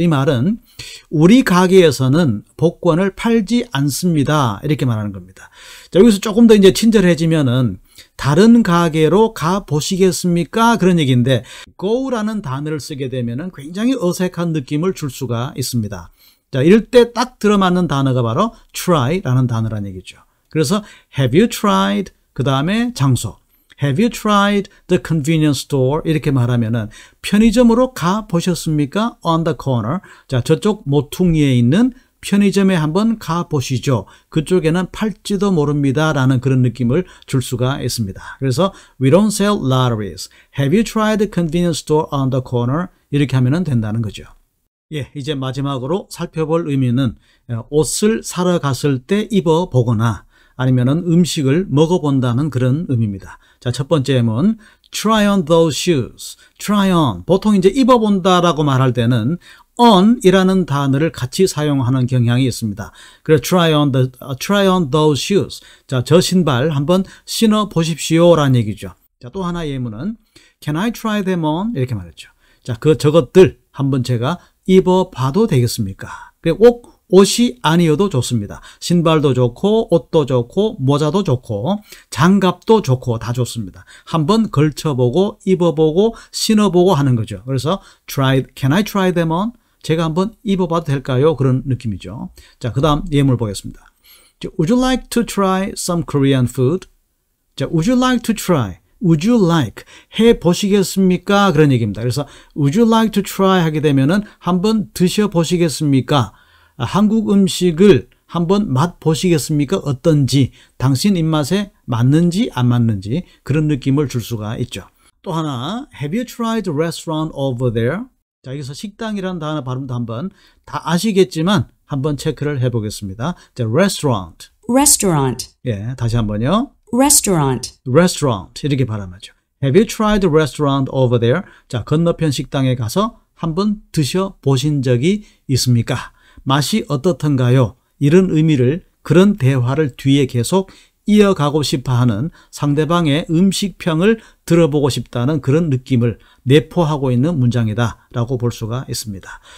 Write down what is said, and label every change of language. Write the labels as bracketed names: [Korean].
[Korean] 이 말은 우리 가게에서는 복권을 팔지 않습니다. 이렇게 말하는 겁니다. 자, 여기서 조금 더 이제 친절해지면은 다른 가게로 가 보시겠습니까? 그런 얘기인데 go라는 단어를 쓰게 되면은 굉장히 어색한 느낌을 줄 수가 있습니다. 자, 이럴 때 딱 들어맞는 단어가 바로 try라는 단어란 얘기죠. [English] 그래서 have you tried [Korean] 그다음에 장소 [English] Have you tried the convenience store? [Korean] 이렇게 말하면은 편의점으로 가 보셨습니까? [English] On the corner. [Korean] 자, 저쪽 모퉁이에 있는 편의점에 한번 가 보시죠. 그쪽에는 팔지도 모릅니다. 라는 그런 느낌을 줄 수가 있습니다. [English] 그래서 we don't sell lotteries. Have you tried the convenience store on the corner? [Korean] 이렇게 하면은 된다는 거죠. 예, 이제 마지막으로 살펴볼 의미는 옷을 사러 갔을 때 입어보거나 아니면은 음식을 먹어본다는 그런 의미입니다. 자, 첫 번째 예문, [English] try on those shoes. [Korean] try on, 보통 이제 입어본다라고 말할 때는 on이라는 단어를 같이 사용하는 경향이 있습니다. [English] 그래서 try on those shoes. [Korean] 자, 저 신발 한번 신어보십시오 라는 얘기죠. [English] 자, [Korean] 또 하나의 예문은 [English] can I try them on? [Korean] 이렇게 말했죠. 자, 그 저것들 한번 제가 입어봐도 되겠습니까? 꼭 옷이 아니어도 좋습니다. 신발도 좋고 옷도 좋고 모자도 좋고 장갑도 좋고 다 좋습니다. 한번 걸쳐보고 입어보고 신어보고 하는 거죠. 그래서 try, [English] can I try them on? [Korean] 제가 한번 입어봐도 될까요? 그런 느낌이죠. 자, 그 다음 예문을 보겠습니다. [English] Would you like to try some Korean food? 자, would you like to try? Would you like? [Korean] 해보시겠습니까? 그런 얘기입니다. [English] 그래서 Would you like to try? [Korean] 하게 되면은 한번 드셔보시겠습니까? 한국 음식을 한번 맛보시겠습니까? 어떤지, 당신 입맛에 맞는지 안 맞는지 그런 느낌을 줄 수가 있죠. [English] 또 하나, Have you tried restaurant over there? [Korean] 자, 여기서 식당이라는 단어 발음도 한번 다 아시겠지만 한번 체크를 해보겠습니다. [English] 자, restaurant. Restaurant. [Korean] 예, 다시 한번요. [English] Restaurant. [Korean] Restaurant. 이렇게 발음하죠. [English] Have you tried restaurant over there? [Korean] 자, 건너편 식당에 가서 한번 드셔보신 적이 있습니까? 맛이 어떻던가요? 이런 의미를, 그런 대화를 뒤에 계속 이어가고 싶어하는 상대방의 음식평을 들어보고 싶다는 그런 느낌을 내포하고 있는 문장이다 라고 볼 수가 있습니다.